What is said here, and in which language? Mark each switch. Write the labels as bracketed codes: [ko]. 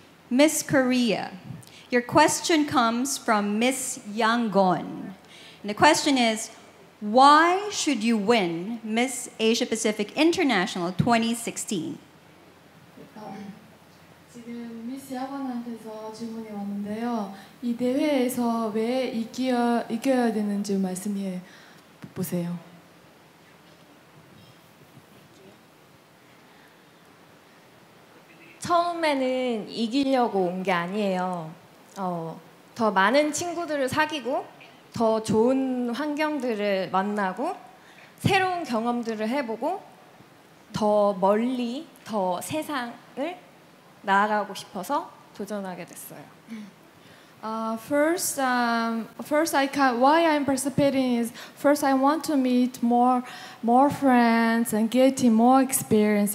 [en] Miss Korea. Your question comes from Miss Yangon. And the question is, why should you win Miss Asia Pacific International 2016? [ko] 지금 미스 야간한테서 질문이 왔는데요. 이 대회에서 왜 이겨야 되는지 말씀해 보세요. [en] Okay. [ko] 처음에는 이기려고 온 게 아니에요. 더 많은 친구들을 사귀고 더 좋은 환경들을 만나고 새로운 경험들을 해보고 더 멀리 더 세상을 나아가고 싶어서 도전하게 됐어요. [en] Why I'm participating is first I want to meet more friends and getting more experience.